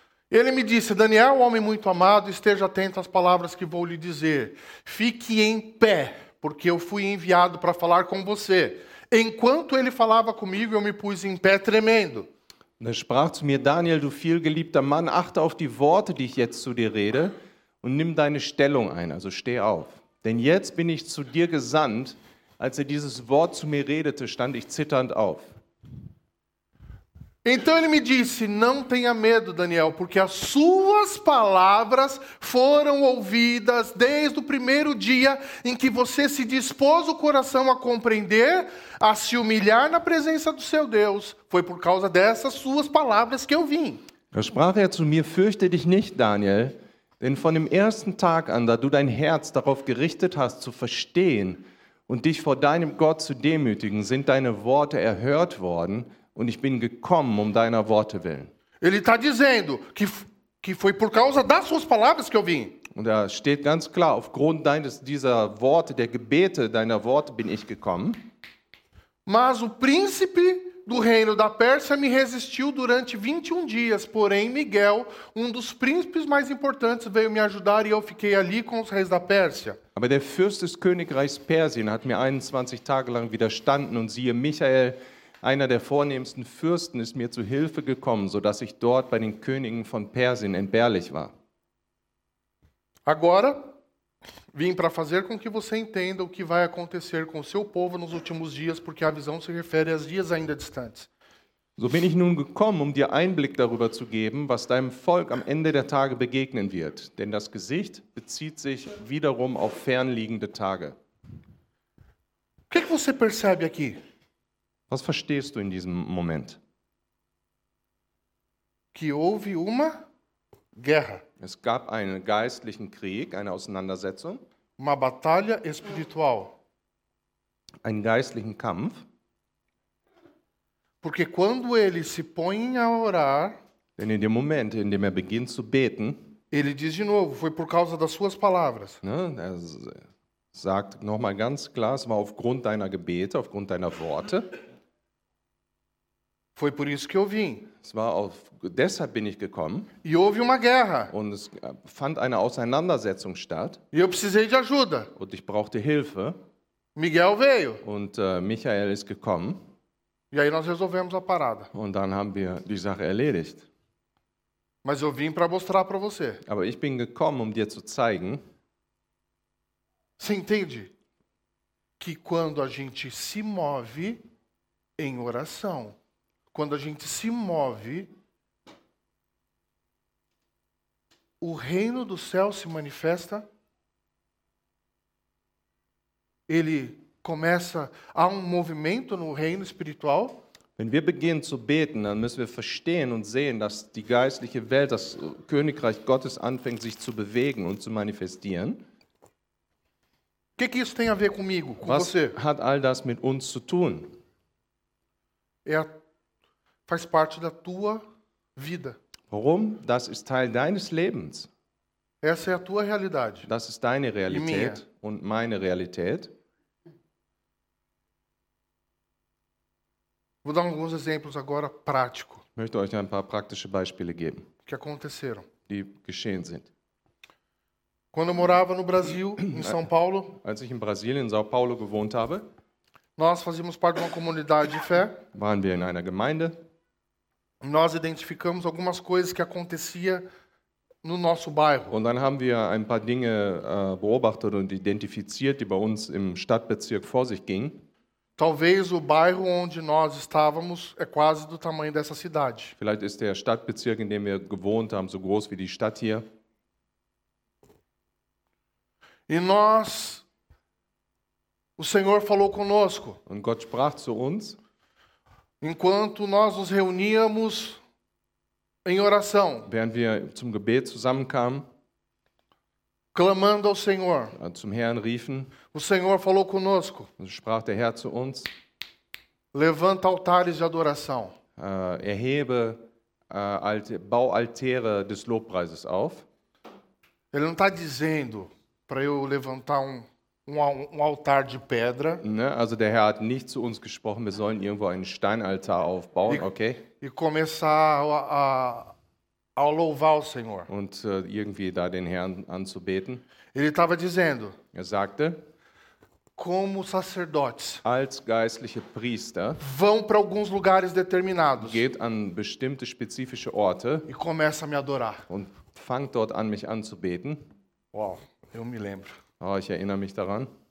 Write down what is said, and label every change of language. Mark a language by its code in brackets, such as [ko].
[pt] Ele me disse: Daniel, homem muito amado, esteja atento às palavras que vou lhe dizer. Fique em pé, porque eu fui enviado para falar com você. Enquanto ele falava comigo, eu me pus em pé tremendo. [de] Da sprach zu mir Daniel, du viel geliebter Mann, achte auf die Worte, die ich jetzt zu dir rede, und nimm deine Stellung ein, also steh auf. Denn jetzt bin ich zu dir gesandt. Als er dieses Wort zu mir redete, stand ich zitternd auf. [pt] Então ele me disse: Não tenha medo, Daniel, porque as suas palavras foram ouvidas desde o primeiro dia em que você se dispôs o coração a compreender, a se humilhar na presença do seu Deus. Foi por causa dessas suas palavras que eu vim. [de] Da sprach er zu mir: Fürchte dich nicht, Daniel, denn von dem ersten Tag an, da du dein Herz darauf gerichtet hast, zu verstehen und dich vor deinem Gott zu demütigen, sind deine Worte erhört worden. Und ich bin gekommen, um deiner Worte willen. [pt] Ele está dizendo que foi por causa das suas palavras que eu vim. [de] Und da steht ganz klar, aufgrund dieser Worte, der Gebete deiner Worte, bin ich gekommen. [pt] Mas o príncipe do reino da Pérsia me resistiu durante 21 dias. Porém, Miguel, dos príncipes mais importantes, veio me ajudar e eu fiquei ali com os reis da Pérsia. [de] Aber der Fürst des Königreichs Persien hat mir 21 Tage lang widerstanden und siehe, Michael, einer der vornehmsten Fürsten, ist mir zu Hilfe gekommen, sodass ich dort bei den Königen von Persien entbehrlich war. [pt] Agora, vim para fazer com que você entenda o que vai acontecer com o seu povo nos últimos dias, porque a visão se refere aos dias ainda distantes. [de] So bin ich nun gekommen, dir Einblick darüber zu geben, was deinem Volk am Ende der Tage begegnen wird, denn das Gesicht bezieht sich wiederum auf fernliegende Tage. [pt] O que você percebe aqui? [de] Was verstehst du in diesem Moment? [pt] Que houve uma guerra. [de] Es gab einen geistlichen Krieg, eine Auseinandersetzung. [pt] Uma batalha espiritual. [de] Einen geistlichen Kampf. [pt] Porque quando ele se põe a orar, [de] denn in dem Moment, in dem beginnt zu beten, [pt] ele diz de novo, foi por causa das suas palavras. [de] Ne, sagt noch mal ganz klar, es war aufgrund deiner Gebete, aufgrund deiner Worte. [pt] Foi por isso que eu vim. [de] Es war auf, deshalb bin ich gekommen. [pt] E houve uma guerra. [de] Und es fand eine Auseinandersetzung statt. [pt] E eu precisei de ajuda. [de] Und ich brauchte Hilfe. [pt] Miguel veio. [de] Und Michael ist gekommen. [pt] E aí nós resolvemos a parada. [de] Und dann haben wir die Sache erledigt. [pt] Mas eu vim para mostrar para você. [de] Aber ich bin gekommen, dir zu zeigen. [pt] Você entende? Que quando a gente se move em oração, quando a gente se move, o reino do céu se manifesta, ele começa, há movimento no reino espiritual. [de] Wenn wir beginnen zu beten, dann müssen wir verstehen und sehen, dass die geistliche Welt, das Königreich Gottes anfängt, sich zu bewegen und zu manifestieren. [pt] Que isso tem a ver comigo, com [de] Was [pt] você? [de] Hat all das mit uns zu tun? [pt] Faz parte da tua vida. [de] Warum? Das ist Teil deines Lebens. [pt] Essa é a tua realidade. [de] Das ist deine Realität und meine Realität. [pt] Vou dar alguns exemplos agora prático. [de] Möchte euch ein paar praktische Beispiele geben. [pt] Que aconteceram? [de] Die geschehen sind. [pt] Quando eu morava no Brasil, em São Paulo. [de] Als ich in Brasilien, in São Paulo gewohnt habe. [pt] Nós fazíamos parte de uma comunidade de fé. [de] Waren wir in einer Gemeinde. [pt] Nós identificamos algumas coisas que acontecia no nosso bairro. [de] Und dann haben wir ein paar Dinge beobachtet und identifiziert, die bei uns im Stadtbezirk vor sich gingen. [pt] Talvez o bairro onde nós estávamos é quase do tamanho dessa cidade. [de] Vielleicht ist der Stadtbezirk, in dem wir gewohnt haben, so groß wie die Stadt hier. [pt] E nós, o Senhor falou conosco. [de] Und Gott sprach zu uns. [pt] Enquanto nós nos reuníamos em oração, [de] während wir zum Gebet zusammenkamen, [pt] clamando ao Senhor, [de] zum Herrn riefen, [pt] o Senhor falou conosco, [de] sprach der Herr zu uns, [pt] levanta altares de adoração, [de] erhebe Baualtäre des Lobpreises auf. [pt] Ele não está dizendo para eu levantar um altar de pedra. [de] Ne, also der Herr hat nicht zu uns gesprochen, wir sollen irgendwo einen Steinaltar aufbauen, okay? [pt] E começar ao louvar o Senhor. [de] Und irgendwie da den Herrn anzubeten. [pt] Ele estava dizendo. [de] Er sagte. [pt] Como sacerdotes. [de] Als geistliche Priester. [pt] Vão para alguns lugares determinados. [de] Geht an bestimmte spezifische Orte. [pt] E começa a me adorar. [de] Und fangt dort an, mich anzubeten. [pt] Wow, eu me lembro. [de] Oh, ich erinnere mich daran.